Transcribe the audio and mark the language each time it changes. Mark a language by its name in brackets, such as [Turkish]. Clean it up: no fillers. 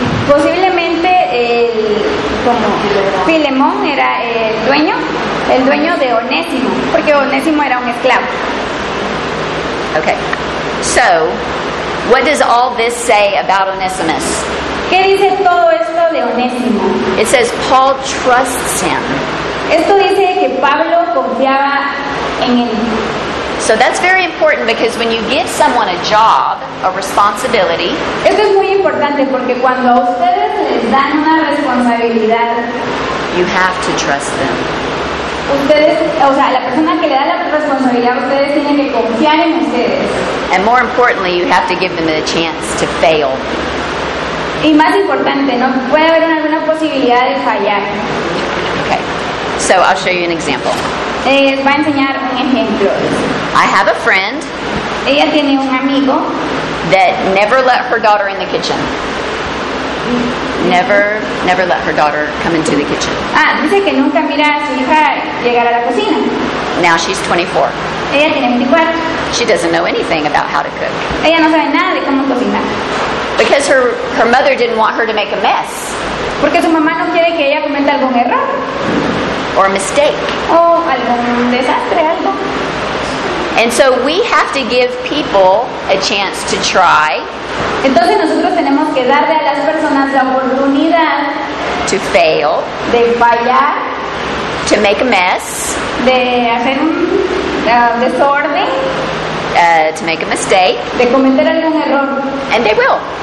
[Spanish] Posiblemente el como Filemón era el dueño de Onésimo, porque Onésimo era un esclavo. [English] Okay. So, what does all this say about Onesimus? [Spanish] ¿Qué dice todo esto de Onésimo? [English] It says Paul trusts him. [Spanish] Esto dice que Pablo confiaba en él. [English] So that's very important because when you give someone a job, a responsibility, [Spanish] esto es muy importante porque cuando a ustedes les dan una responsabilidad, [English] you have to trust them. [Spanish] Ustedes, o sea, la persona que le da la responsabilidad a ustedes tiene que confiar en ustedes. [English] And more importantly, you have to give them the chance to fail. [Spanish] Y más importante, no puede haber alguna posibilidad de fallar. [English] Okay. So I'll show you an example. [Spanish] Les va a enseñar un ejemplo. [English] I have a friend. [Spanish] Ella tiene un amigo. [English] That never let her daughter in the kitchen. Never, never let her daughter come into the kitchen. [Spanish] Ah, dice que nunca mira a su hija llegar a la cocina. [English] Now she's 24. [Spanish] Ella tiene 24. [English] She doesn't know anything about how to cook. [Spanish] Ella no sabe nada de cómo cocinar. [English] Because her mother didn't want her to make a mess. [Spanish] Porque su mamá no quiere que ella cometa algún error. [English] Or a mistake. [Spanish] O algún desastre, algo. [English] And so we have to give people a chance to try. [Spanish] Entonces nosotros tenemos que darle a las personas la oportunidad [English] to fail, [Spanish] de fallar, [English] to make a mess, [Spanish] de hacer un desorden, [English] to make a mistake, [Spanish] de cometer algún error. [English] And they will.